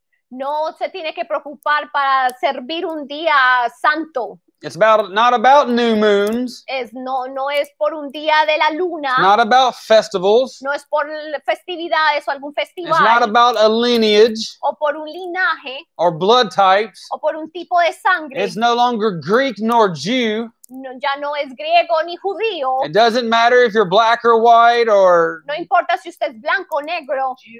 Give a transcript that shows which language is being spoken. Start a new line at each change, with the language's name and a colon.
Spanish: No se tiene que preocupar para servir un día santo.
English: It's about not about new moons.
Spanish: Es no, no es por un día de la luna.
English: It's not about festivals.
Spanish: No es por festividades o algún festival.
English: It's not about a lineage.
Spanish: O por un linaje.
English: Or blood types.
Spanish: O por un tipo de sangre.
English: It's no longer Greek nor Jew.
Spanish: No, ya no es griego ni judío.
English: It doesn't matter if you're black or white or...
Spanish: No importa si usted es blanco o negro.